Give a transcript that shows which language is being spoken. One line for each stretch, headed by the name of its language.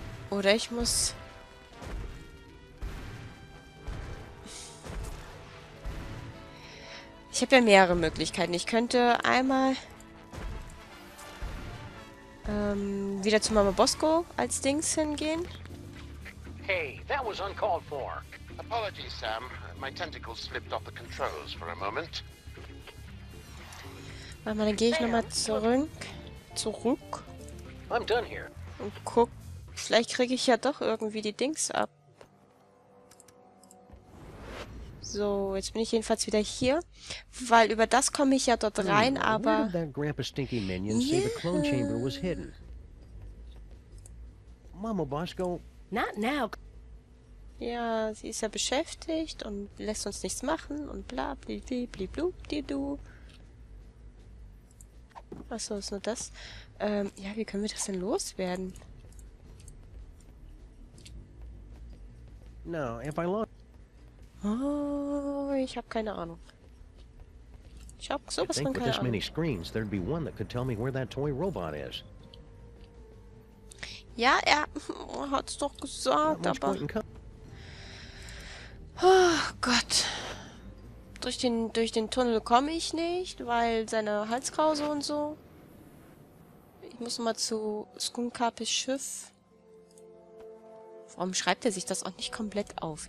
German: Oder ich muss... Ich habe ja mehrere Möglichkeiten. Ich könnte einmal... wieder zu Mama Bosco als Dings hingehen.
English: Hey, that was uncalled for. Apologies, Sam. My tentacles slipped off the controls for a moment.
German: Warte mal, dann gehe ich nochmal zurück.
English: I'm done here.
German: Und guck, vielleicht kriege ich ja doch irgendwie die Dings ab. So, jetzt bin ich jedenfalls wieder hier. Weil über das komme ich ja dort rein, aber...
English: Where did that Grandpa Stinky minion say the clone chamber was hidden?
German: Mama Bosco...
English: Not now.
German: Ja, sie ist ja beschäftigt und lässt uns nichts machen und bla blibli bliblu di du. Achso, ist nur das. Ja, wie können wir das denn loswerden?
English: No, if I lost.
German: Oh, ich hab keine Ahnung. Ich hab sowas von keine Ahnung.
English: With this many screens, there'd be one that could tell me where that toy robot is.
German: Ja, er hat's doch gesagt, aber. Oh Gott. Durch den Tunnel komme ich nicht, weil seine Halskrause und so. Ich muss mal zu Skunkapis Schiff. Warum schreibt er sich das auch nicht komplett auf?